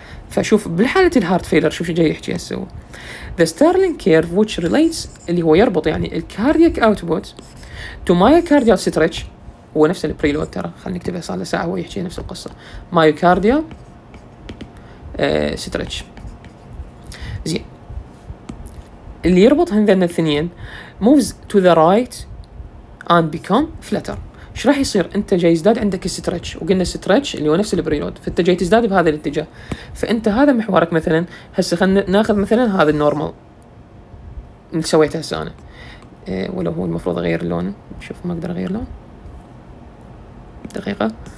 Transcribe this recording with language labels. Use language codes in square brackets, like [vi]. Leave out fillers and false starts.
[ar] فشوف بالحاله الهارت فيلر شوف شو جاي يحكي هسه، ذا ستارلينج كيرف ويتش ريليتس اللي هو يربط يعني الكاردياك اوتبوت تو مايوكارديال ستريتش، هو نفس البريلود ترى، خلني اكتبها صار له ساعة هو يحكي نفس القصة، مايوكارديا ستريتش. زين اللي يربط هذين الاثنين [en] moves to the right and become flutter. [ar] ايش راح يصير؟ انت جاي يزداد عندك الستريتش، وقلنا الستريتش اللي هو نفس البريلود، فانت جاي تزداد بهذا الاتجاه. فانت هذا محورك مثلا، هسه خلنا ناخذ مثلا هذا النورمال اللي سويته هسه انا، ولو هو المفروض اغير لون، شوف ما اقدر اغير لون دقيقة.